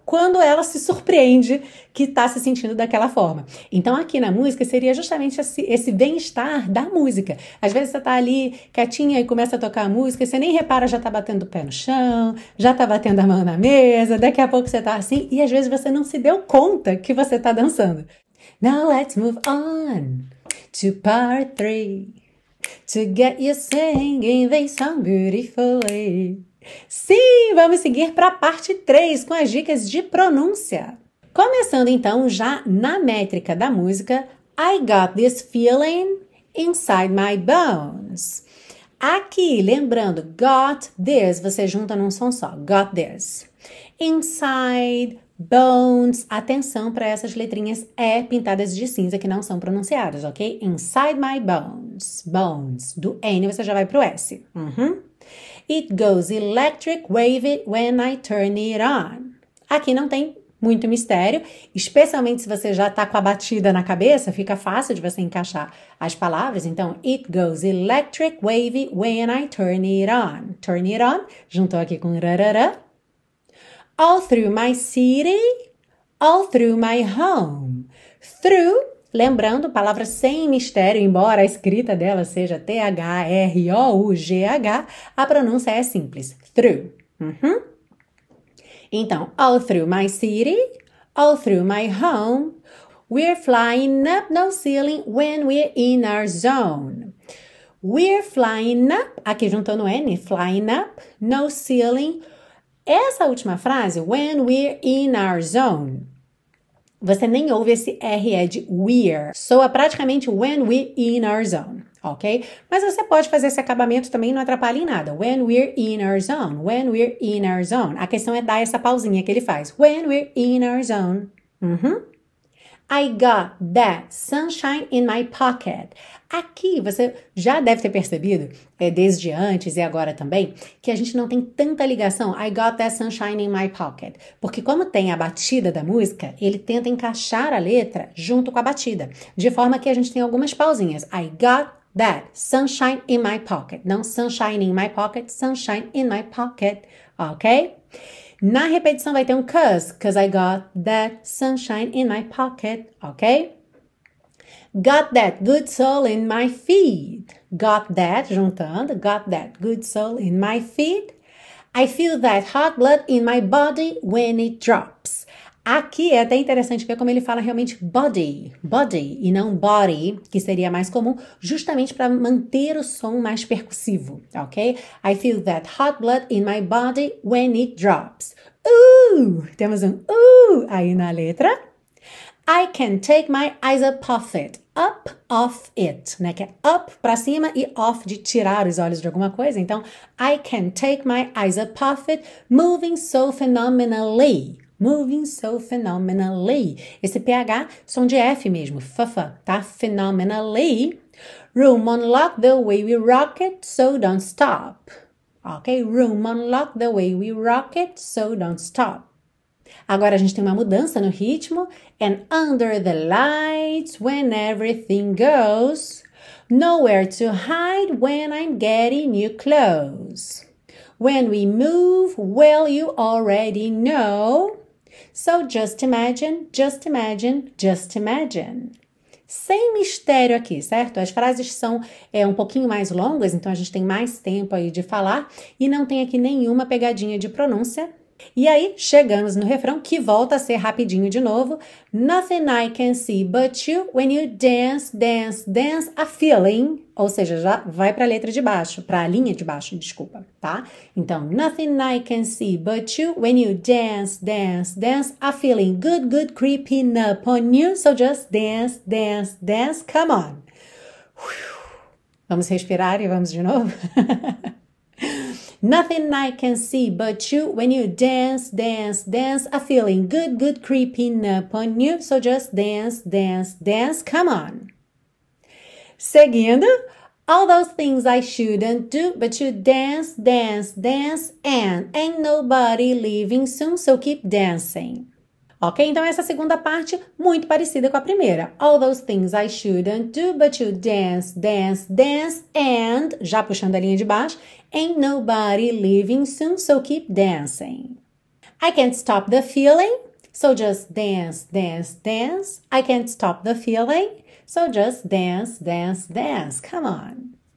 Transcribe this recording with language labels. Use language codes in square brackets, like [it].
[pt] Quando ela se surpreende que está se sentindo daquela forma. Então, aqui na música, seria justamente esse bem-estar da música. Às vezes, você está ali quietinha e começa a tocar a música, e você nem repara, já está batendo o pé no chão, já está batendo a mão na mesa, daqui a pouco você está assim, e às vezes você não se deu conta que você está dançando. [en] Now let's move on to part three, to get you singing this song beautifully. [pt] Sim, vamos seguir para a parte 3 com as dicas de pronúncia. Começando então já na métrica da música, [en] I got this feeling inside my bones. [pt] Aqui, lembrando, [en] got this, [pt] você junta num som só, got this. [en] Inside bones, [pt] atenção para essas letrinhas E pintadas de cinza que não são pronunciadas, ok? Inside my bones, bones. Do N você já vai para o S. [en] It goes electric wavy when I turn it on. [pt] Aqui não tem muito mistério, especialmente se você já está com a batida na cabeça, fica fácil de você encaixar as palavras. Então, [en] it goes electric wavy when I turn it on. Turn it on, [pt] juntou aqui com rarara. [en] All through my city, all through my home. [pt] Through, lembrando, palavra sem mistério, embora a escrita dela seja THROUGH, a pronúncia é simples. [en] Through. [pt] Então, [en] all through my city, all through my home, we're flying up no ceiling when we're in our zone. We're flying up, [pt] aqui juntando N, [en] flying up no ceiling. [pt] Essa última frase, [en] when we're in our zone, [pt] você nem ouve esse RE de we're. Soa praticamente when we're in our zone, Ok? Mas você pode fazer esse acabamento também, não atrapalha em nada. [en] When we're in our zone. When we're in our zone. [pt] A questão é dar essa pausinha que ele faz. [en] When we're in our zone. I got that sunshine in my pocket. [pt] Aqui você já deve ter percebido, desde antes e agora também, que a gente não tem tanta ligação. [en] I got that sunshine in my pocket. [pt] Porque, como tem a batida da música, ele tenta encaixar a letra junto com a batida, de forma que a gente tem algumas pausinhas. [en] I got that sunshine in my pocket. [pt] Não [en] sunshine in my pocket, sunshine in my pocket. Ok? [pt] Na repetição vai ter um [en] cause I got that sunshine in my pocket, ok? Got that good soul in my feet. Got that, [pt] juntando. [en] Got that good soul in my feet. I feel that hot blood in my body when it drops. [pt] Aqui é até interessante ver como ele fala realmente [en] body, body, [pt] e não body, que seria mais comum, justamente para manter o som mais percussivo, ok? [en] I feel that hot blood in my body when it drops. [pt] Temos um aí na letra. [en] I can take my eyes up off it. Up off it, [pt] né? Que é up para cima e off de tirar os olhos de alguma coisa. Então, [en] I can take my eyes up off it, moving so phenomenally. Moving so phenomenally. [pt] Esse PH, som de F mesmo. Fafa, tá? [en] Phenomenally. Room unlocked the way we rock it, so don't stop. Ok? Room unlocked the way we rock it, so don't stop. [pt] Agora a gente tem uma mudança no ritmo. [en] And under the lights, when everything goes. Nowhere to hide when I'm getting new clothes. When we move, well, you already know. So just imagine, just imagine, just imagine. [pt] Sem mistério aqui, certo? As frases são um pouquinho mais longas, então a gente tem mais tempo aí de falar e não tem aqui nenhuma pegadinha de pronúncia. E aí chegamos no refrão que volta a ser rapidinho de novo. [en] Nothing I can see but you when you dance, dance, dance a feeling. [pt] Ou seja, já vai para a letra de baixo, para a linha de baixo, desculpa, tá? Então, [en] nothing I can see but you when you dance, dance, dance a feeling. Good, good, creeping up on you. So just dance, dance, dance, come on. [pt] Vamos respirar e vamos de novo? [en] Nothing I can see but you when you dance, dance, dance, a feeling good, good creeping up on you. So just dance, dance, dance, come on. [pt] Seguindo, [en] all those things I shouldn't do, but you dance, dance, dance, and ain't nobody leaving soon, so keep dancing. [pt] Ok, então essa segunda parte muito parecida com a primeira. [en] All those things I shouldn't do, but you dance, dance, dance, and, [pt] já puxando a linha de baixo, [en] ain't nobody leaving soon, so keep dancing. I can't stop the feeling, so just dance, dance, dance. I can't stop the feeling, so just dance, dance, dance. Come on.